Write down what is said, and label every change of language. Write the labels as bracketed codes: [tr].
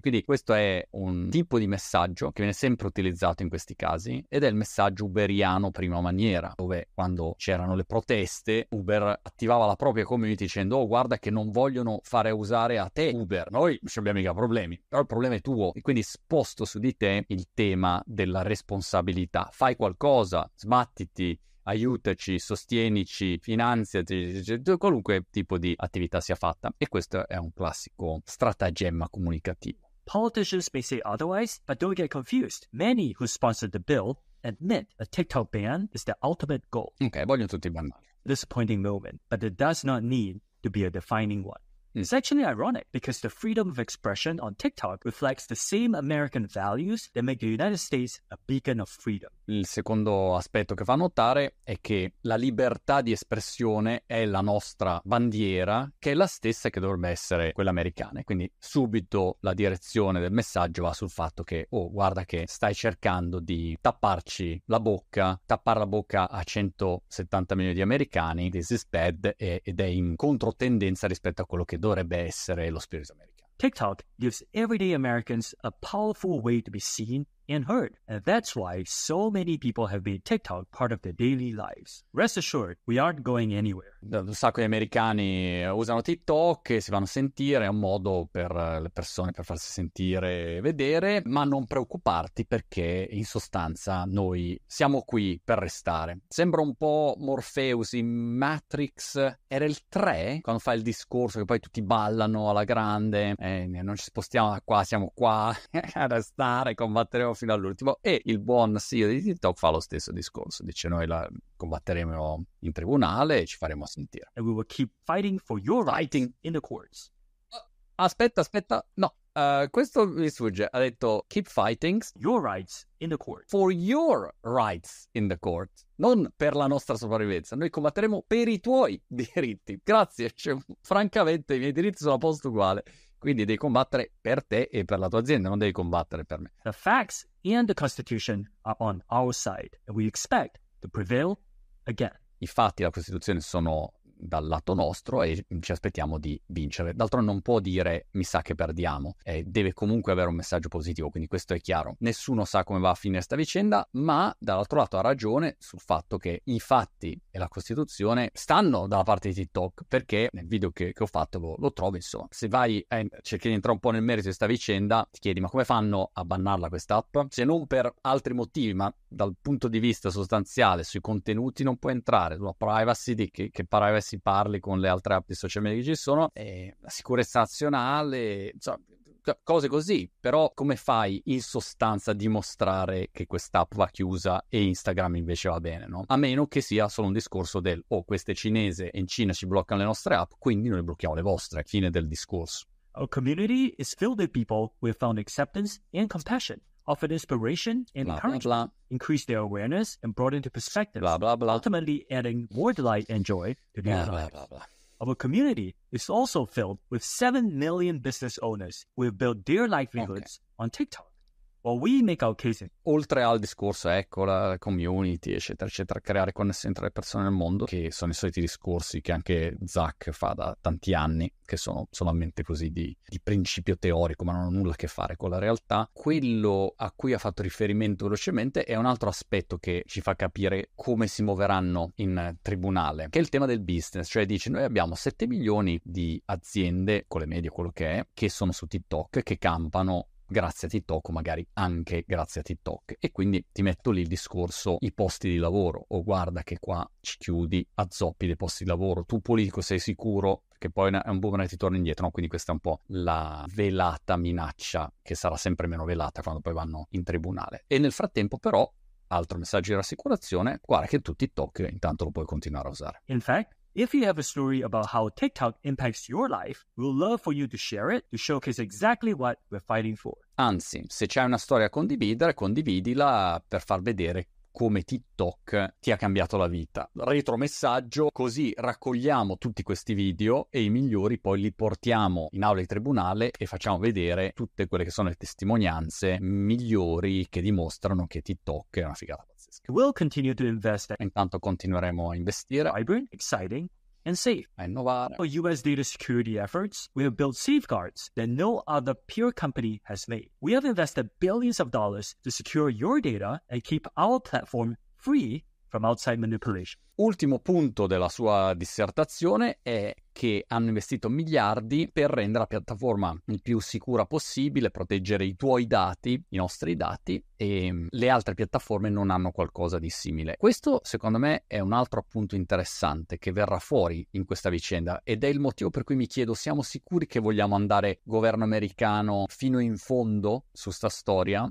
[it] Quindi questo è un tipo di messaggio che viene sempre utilizzato in questi casi ed è il messaggio uberiano prima maniera, dove quando c'erano le proteste Uber attivava la propria community dicendo, oh guarda che non vogliono fare usare a te Uber, noi non abbiamo mica problemi, però il problema è tuo. E quindi sposto su di te il tema della responsabilità, fai qualcosa, sbattiti, aiutaci, sostienici, finanziati, qualunque tipo di attività sia fatta. E questo è un classico stratagemma comunicativo. [en] Politicians may say otherwise, but don't get confused. Many who sponsored the bill admit a TikTok ban is the ultimate goal. [it] Ok, vogliono tutti bannare. [en] Disappointing moment, but it does not need to be a defining one. It's actually ironic because the freedom of expression on TikTok reflects the same American values that make the United States a beacon of freedom. [it] Il secondo aspetto che fa notare è che la libertà di espressione è la nostra bandiera, che è la stessa che dovrebbe essere quella americana. Quindi subito la direzione del messaggio va sul fatto che, oh, guarda che stai cercando di tapparci la bocca, tappare la bocca a 170 milioni di americani, [en] this is bad, [it] ed è in controtendenza rispetto a quello che dovrebbe essere lo spirito americano. [en] TikTok gives everyday Americans a powerful way to be seen and heard. And that's why so many people have made TikTok part of their daily lives. Rest assured, we aren't going anywhere. [it] Un sacco di americani usano TikTok e si fanno sentire, è un modo per le persone per farsi sentire e vedere, ma non preoccuparti perché in sostanza noi siamo qui per restare. Sembra un po' Morpheus in Matrix, era il 3 quando fa il discorso che poi tutti ballano alla grande, non ci spostiamo da qua, siamo qua a restare, combatteremo fino all'ultimo, e il buon CEO di TikTok fa lo stesso discorso, dice noi la combatteremo in tribunale e ci faremo sentire. [en] And we will keep fighting for your fighting rights in the courts. [it] Aspetta, no, questo mi sfugge. Ha detto [en] keep fighting your rights in the court. For your rights in the court, [it] non per la nostra sopravvivenza. Noi combatteremo per i tuoi diritti. Grazie, cioè, francamente i miei diritti sono a posto uguale. Quindi devi combattere per te e per la tua azienda, non devi combattere per me. [en] The facts and the constitution are on our side and we expect to prevail again. [it] I fatti, la Costituzione sono dal lato nostro e ci aspettiamo di vincere. D'altronde non può dire mi sa che perdiamo, deve comunque avere un messaggio positivo, quindi questo è chiaro. Nessuno sa come va a finire questa vicenda, ma dall'altro lato ha ragione sul fatto che i fatti e la Costituzione stanno dalla parte di TikTok, perché nel video che ho fatto lo trovo, insomma. Se vai e cerchi di entrare un po' nel merito di questa vicenda, ti chiedi ma come fanno a bannarla questa app? Se non per altri motivi, ma dal punto di vista sostanziale sui contenuti non puoi entrare, sulla privacy di che privacy si parli con le altre app di social media che ci sono, la sicurezza nazionale, insomma, cose così. Però come fai in sostanza a dimostrare che quest'app va chiusa e Instagram invece va bene, no? A meno che sia solo un discorso del questa è cinese e in Cina ci bloccano le nostre app, quindi noi blocchiamo le vostre, fine del discorso. [en] Our community is filled with people who have found acceptance and compassion, offered inspiration and encouragement, increased their awareness and broadened their perspectives, blah, blah, blah, ultimately adding more delight and joy to their lives. Our community is also filled with 7 million business owners who have built their livelihoods on TikTok. While we make our case, [it] oltre al discorso, la community, eccetera, eccetera, creare connessioni tra le persone nel mondo, che sono i soliti discorsi che anche Zach fa da tanti anni, che sono solamente così di principio teorico, ma non hanno nulla a che fare con la realtà. Quello a cui ha fatto riferimento velocemente è un altro aspetto che ci fa capire come si muoveranno in tribunale, che è il tema del business. Cioè dice, noi abbiamo 7 milioni di aziende, con le medie, quello che è, che sono su TikTok, che campano grazie a TikTok, magari anche grazie a TikTok. E quindi ti metto lì il discorso, i posti di lavoro. O guarda che qua ci chiudi a zoppi dei posti di lavoro. Tu politico sei sicuro? Perché poi è un boomerang e ti torna indietro, no? Quindi questa è un po' la velata minaccia, che sarà sempre meno velata quando poi vanno in tribunale. E nel frattempo però, altro messaggio di rassicurazione, guarda che tu TikTok intanto lo puoi continuare a usare. [en] In fact, if you have a story about how TikTok impacts your life, we'll love for you to share it to showcase exactly what we're fighting for. [it] Anzi, se c'è una storia a condividere, condividila per far vedere come TikTok ti ha cambiato la vita. Retromessaggio, così raccogliamo tutti questi video e i migliori poi li portiamo in aula di tribunale e facciamo vedere tutte quelle che sono le testimonianze migliori che dimostrano che TikTok è una figata. [en] We'll continue to invest. [it] Intanto continueremo a investire. [en] Vibrant, exciting, and safe. [it] A innovare. [en] For US data security efforts, we have built safeguards that no other peer company has made. We have invested billions of dollars to secure your data and keep our platform free from outside manipulation. [it] Ultimo punto della sua dissertazione è che hanno investito miliardi per rendere la piattaforma il più sicura possibile, proteggere i tuoi dati, i nostri dati, e le altre piattaforme non hanno qualcosa di simile. Questo, secondo me, è un altro appunto interessante che verrà fuori in questa vicenda ed è il motivo per cui mi chiedo, siamo sicuri che vogliamo andare governo americano fino in fondo su sta storia?